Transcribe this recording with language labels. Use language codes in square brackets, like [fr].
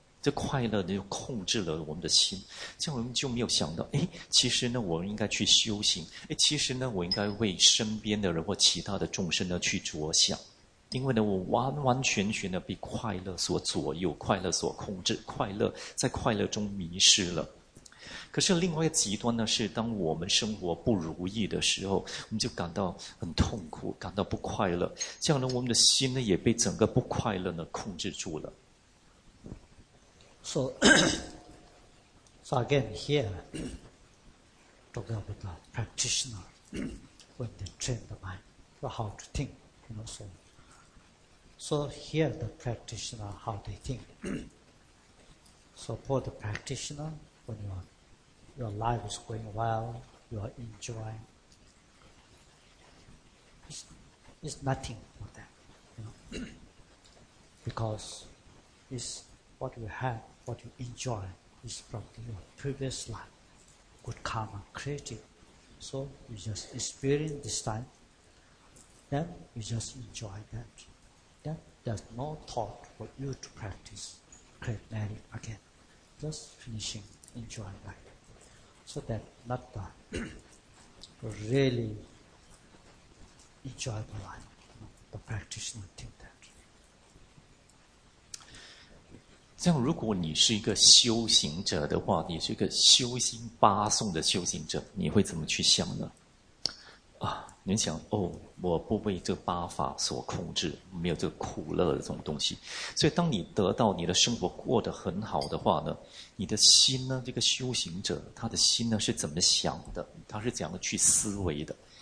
[zh] 这快乐呢，就控制了我们的心，这样我们就没有想到，哎，其实呢，我们应该去修行，哎，其实呢，我应该为身边的人或其他的众生呢去着想，因为呢，我完完全全的被快乐所左右，快乐所控制，快乐在快乐中迷失了。可是另外一个极端呢，是当我们生活不如意的时候，我们就感到很痛苦，感到不快乐，这样呢，我们的心呢也被整个不快乐呢控制住了。 [en] So again, here, talking about the practitioner, when they train the mind for how to think, you know, so here the practitioner, how they think. So for the practitioner, when your life is going well, you are enjoying, it's nothing for them, you know, because it's what you have. What you enjoy is from your previous life, good karma created. So you just experience this time, then you just enjoy that. Then there's no thought for you to practice, create merit again, just finishing, enjoying life. So that not the really enjoyable life, you know, the practitioner thinks that. [zh] 这样，如果你是一个修行者的话，你是一个修心八颂的修行者，你会怎么去想呢？你想哦，我不被这八法所控制，没有这个苦乐的这种东西。所以当你得到你的生活过得很好的话呢，你的心呢，这个修行者他的心呢是怎么想的，他是怎样去思维的。